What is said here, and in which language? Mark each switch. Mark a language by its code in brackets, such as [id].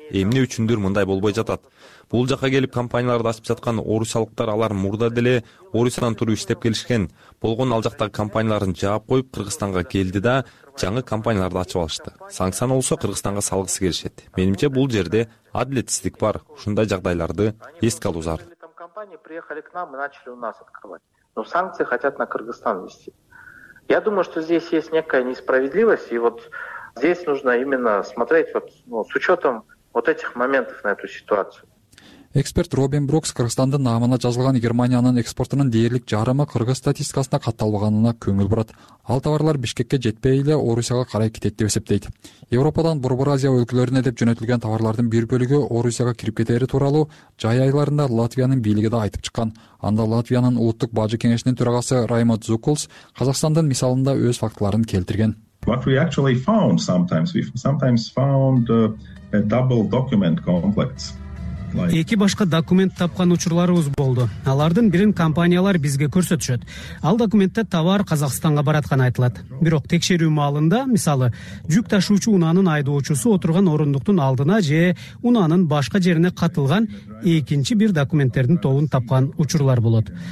[ky] Эмне үчүндүр мындай болбой жатат? Бул жака келип компанияларды ачып жаткан орусиялыктар алар мурда деле Орусиядан туруп иштеп келишкен. Болгон ал жактагы компанияларын жаап коюп Кыргызстанга келди да жаңы компанияларды ачып алышты. Санкцияны болсо Кыргызстанга салгысы келишет. Менимче бул жерде адилетсиздик бар. Ушундай жагдайларды эске алуу зарыл. [ru] Компания приехали к нам и начали у нас открывать. Но санкции хотят на Кыргызстан ввести. Я думаю, что здесь есть некая несправедливость, и вот здесь нужно именно смотреть вот, ну, с учетом вот этих моментов на эту ситуацию. [ky] Эксперт Робин Брукс Кыргызстандын наамына жазылган Германиянын экспортунун дээрлик жарымы кыргыз статистикасына катталбаганына көңүл бурат. Ал товарлар Бишкекке жетпей эле Орусияга карай кетет деп эсептейт. Европадан Борбор Азия өлкөлөрүнө деп жөнөтүлгөн товарлардын бир бөлүгү Орусияга кирип кетери тууралуу жай айларында Латвиянын бийлиги да айтып чыккан. Анда Латвиянын улуттук бажы кеңешинин төрагасы Раймонд Зукулс Казакстандын мисалында өз фактыларын келтирген. [en] What we actually found sometimes, double document complex. [ky] Эки башка документ тапкан учурларыбыз болду. Алардын бирин компаниялар бизге көрсөтүшөт. Ал документте товар Казакстанга баратканы айтылат. Бирок текшерүү маалында, мисалы, жүк ташуучу унаанын айдоочусу отурган орундуктун алдына же унаанын башка жерине катылган экинчи бир документтердин тобун тапкан учурлар болот.